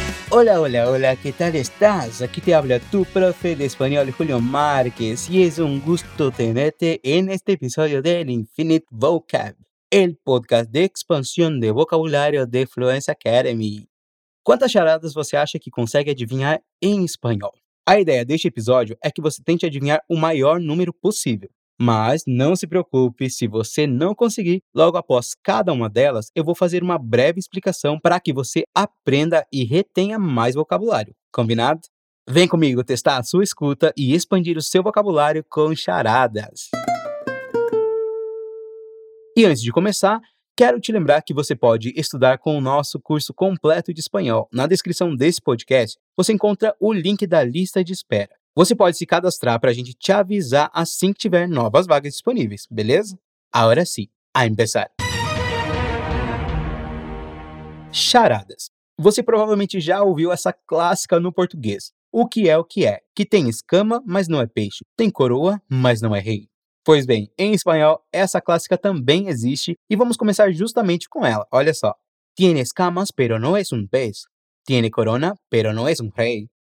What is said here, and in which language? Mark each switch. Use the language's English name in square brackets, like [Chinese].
[Spanish] Hola, hola, hola, ¿qué tal estás? Aquí te habla tu profe de español, Julio Márquez, y es un gusto tenerte en este episodio del Infinite Vocab, el podcast de expansión de vocabulario de Fluence Academy. [Portuguese] ¿Cuántas charadas você acha que consegue adivinhar em espanhol? A ideia deste episódio é que você tente adivinhar o maior número possível. Mas não se preocupe, se você não conseguir, logo após cada uma delas, eu vou fazer uma breve explicação para que você aprenda e retenha mais vocabulário. Combinado? Vem comigo testar a sua escuta e expandir o seu vocabulário com charadas. E antes de começar, quero te lembrar que você pode estudar com o nosso curso completo de espanhol. Na descrição desse podcast, você encontra o link da lista de espera. Você pode se cadastrar para a gente te avisar assim que tiver novas vagas disponíveis, beleza? Agora sim, a começar. Charadas. Você provavelmente já ouviu essa clássica no português. O que é o que é? Que tem escama, mas não é peixe. Tem coroa, mas não é rei. Pois bem, em espanhol, essa clássica também existe e vamos começar justamente com ela. Olha só. [Spanish] Tiene escamas, pero no es un pez. Tiene corona, pero no es un rey.